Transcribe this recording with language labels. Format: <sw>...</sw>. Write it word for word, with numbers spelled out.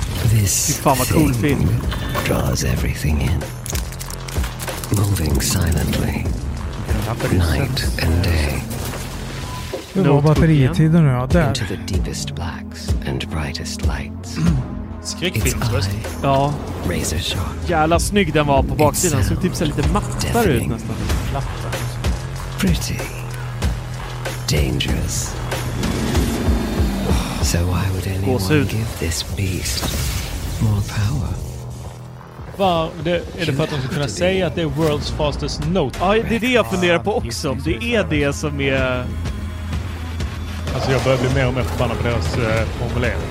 <en>This thing draws everything in, moving silently, night and day.</en> <sv>Det var batteritiden nu, ja, där.</sv> <en>Into the deepest blacks and brightest lights.</en> <sv>Skräckfilmsröst. Ja.</sv> <en>Razor sharp.</en> <sv>Jävla snygg den var på baksidan, så typ ser lite mattare ut nästan.</sv> <en>Platta. Pretty. Dangerous. So why would anyone give this beast more power?</en> <sv>Var, det, är det för att de ska kunna säga att det är World's Fastest Note? Ja, det är det jag funderar på också. Om det är det som är... Alltså jag börjar bli mer och mer förbannad på deras eh, formulering.</sv>